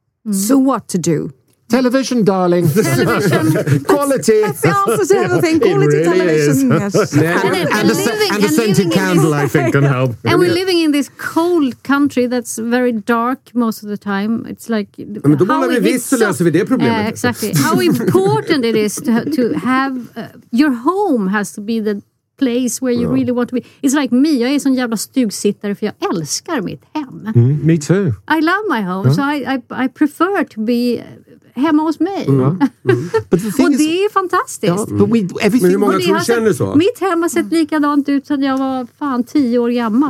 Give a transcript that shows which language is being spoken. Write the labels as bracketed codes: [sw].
[en] So what to do? Television, darling. Television. Quality. That's the answer to everything. Quality really television. Is. Yes. And a scented candle, I think, can help. And we're living in this cold country that's very dark most of the time. It's like... [sv] Men då bara visst så löser vi det problemet. [en] Exactly. How important it is to have... your home has to be the place where you really want to be. It's like me. [sv] Jag är sån jävla stugsittare för jag älskar mitt hem. [en] Me too. I love my home. So I prefer to be... [sv] hemma hos mig. [en] Mm. Mm. [sv] Och är det är fantastiskt. Ja, mm. Men hur många tror du känner så? Mitt hem har sett likadant ut sedan jag var fan 10 år gammal.